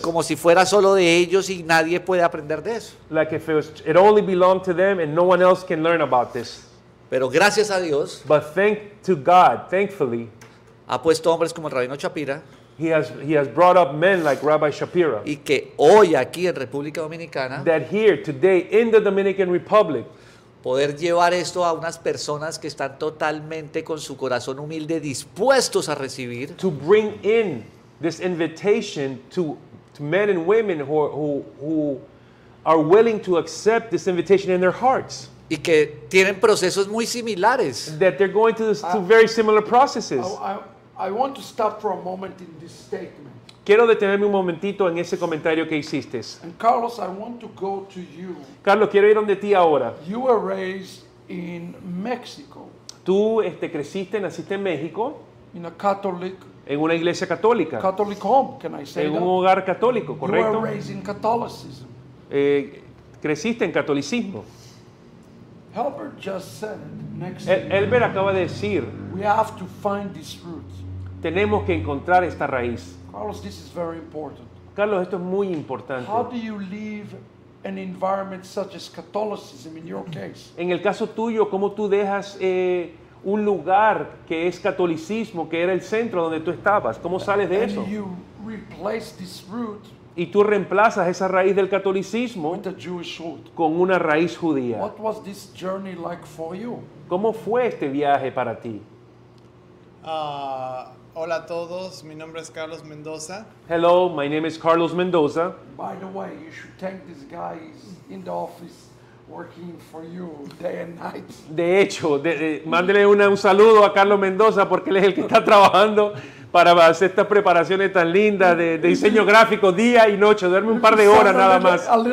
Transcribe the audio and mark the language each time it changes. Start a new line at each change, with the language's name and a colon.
Spanish: Como si fuera solo de ellos y nadie puede aprender de eso.
English: Like if it was, it only belonged to them and no one else can learn about this.
Spanish: Pero gracias a Dios,
English: but thank to God, thankfully,
Spanish: ha puesto hombres como el Rabino Shapira.
English: He has brought up men like Rabbi Shapira.
Spanish: Y que hoy aquí en República Dominicana,
English: that here today in the Dominican Republic,
Spanish: poder llevar esto a unas personas que están totalmente con su corazón humilde dispuestos a recibir,
English: to bring in this invitation to men and women who are willing to accept this invitation in their hearts.
Spanish: Y que tienen procesos muy similares.
English: That they're going to very similar processes. I want to stop for a moment in this statement.
Spanish: Quiero detenerme un momentito en ese comentario que hiciste.
English: And Carlos, I want to go to you.
Spanish: Carlos, quiero ir donde ti ahora.
English: You were raised in Mexico.
Spanish: Tú creciste, naciste en México.
English: In a Catholic.
Spanish: En una iglesia católica.
English: Catholic home, can I say
Spanish: en
English: that?
Spanish: En un hogar católico, correcto.
English: You were raised in Catholicism.
Spanish: Creciste en catolicismo.
English: Albert just said it next.
Spanish: Albert acaba de decir.
English: We have to find this root.
Spanish: Tenemos que encontrar esta raíz.
English: Carlos, this is very important.
Spanish: Carlos, esto es muy importante.
English: How do you leave an environment such as Catholicism in your case?
Spanish: En el caso tuyo, ¿cómo tú dejas un lugar que es catolicismo, que era el centro donde tú estabas? ¿Cómo sales de eso?
English: And you replace this root.
Spanish: Y tú reemplazas esa raíz del catolicismo con una raíz judía.
English: What was this journey like for you?
Spanish: ¿Cómo fue este viaje para ti? Hola a todos, mi nombre es Carlos Mendoza.
English: Hello, my name is Carlos Mendoza. By the way, you should thank this guy in the office working for you day and night.
Spanish: De hecho, mándele un saludo a Carlos Mendoza porque él es el que está trabajando para hacer estas preparaciones tan lindas de diseño gráfico día y noche, duerme un par de horas nada más.